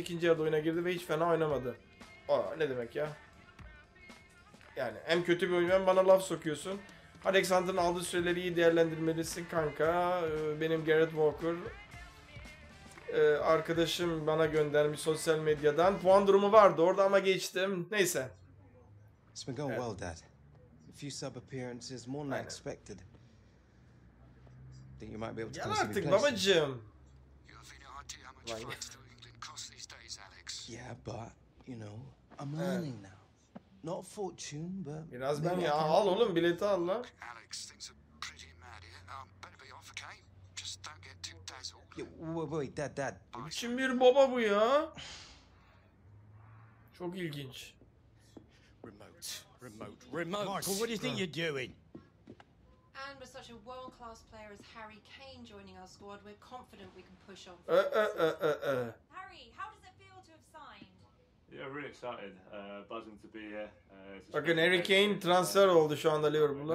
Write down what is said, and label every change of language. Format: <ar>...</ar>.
<tr>İkinci yarıda oyuna girdi ve hiç fena oynamadı. Aa, ne demek ya? Yani hem kötü bir oyuncu bana laf sokuyorsun. Alexander'ın aldığı süreleri iyi değerlendirmelisin kanka. Benim Garrett Walker arkadaşım bana göndermiş sosyal medyadan. Puan durumu vardı orada ama geçtim. Neyse.</tr> <en>It's been going well, Dad. A few sub appearances, more than I expected. Think you might be able to come see me</en> <tr>babacığım.</tr> <en>You have any idea how much flights to England cost these days, Alex? Yeah, but you know, I'm learning now. Not fortune, but</en> <tr>biraz ben ya al oğlum bileti al lan.</tr> <en>Alex, things are pretty mad here. Better be off, okay? Just don't get too dazzled. Wait, Dad.</en> <tr>Kim bir baba bu ya? Çok ilginç.</tr> <en>Remote. Well, what do you think you're doing? And with such a world-class player as Harry Kane joining our squad, we're confident we can push on. Harry, how does it feel to have signed? Yeah, really excited. Buzzing to be here.</en> <tr>Bakın Harry Kane transfer oldu şu anda Liverpool'a.</tr>